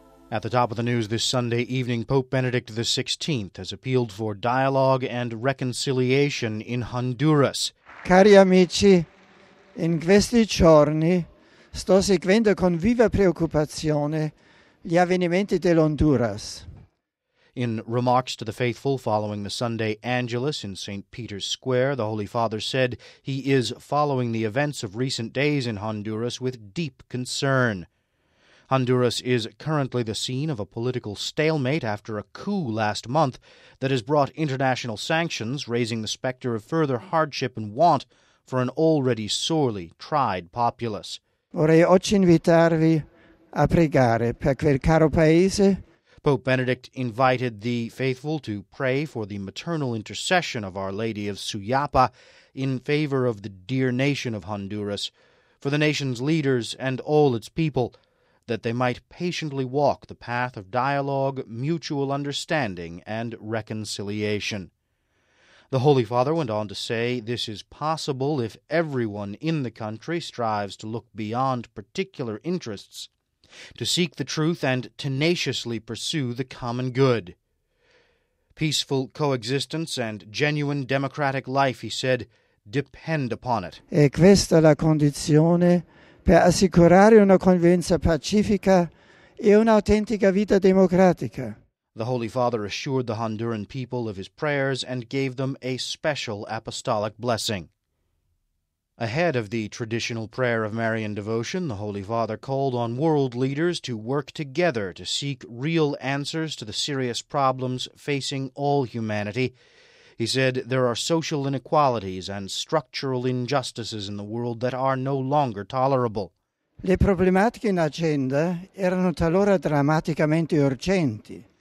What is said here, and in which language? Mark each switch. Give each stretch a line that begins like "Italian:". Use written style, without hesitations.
English: At the top of the news this Sunday evening, Pope Benedict XVI has appealed for dialogue and reconciliation in Honduras.
Italian: Cari amici, in questi giorni sto seguendo con viva preoccupazione gli avvenimenti dell'Honduras.
English: In remarks to the faithful following the Sunday Angelus in St. Peter's Square, the Holy Father said he is following the events of recent days in Honduras with deep concern. Honduras is currently the scene of a political stalemate after a coup last month that has brought international sanctions, raising the specter of further hardship and want for an already sorely tried populace.
Italian: Vorrei oggi invitarvi a pregare per quel caro paese.
English: Pope Benedict invited the faithful to pray for the maternal intercession of Our Lady of Suyapa in favor of the dear nation of Honduras, for the nation's leaders and all its people, that they might patiently walk the path of dialogue, mutual understanding, and reconciliation. The Holy Father went on to say this is possible if everyone in the country strives to look beyond particular interests, to seek the truth and tenaciously pursue the common good. Peaceful coexistence and genuine democratic life, he said, depend upon it.
Italian: E questa la condizione per assicurare una convivenza pacifica e un'autentica vita democratica.
English: The Holy Father assured the Honduran people of his prayers and gave them a special apostolic blessing. Ahead of the traditional prayer of Marian devotion, the Holy Father called on world leaders to work together to seek real answers to the serious problems facing all humanity. He said there are social inequalities and structural injustices in the world that are no longer tolerable.
Italian: Le problematiche in agenda erano talora drammaticamente urgenti.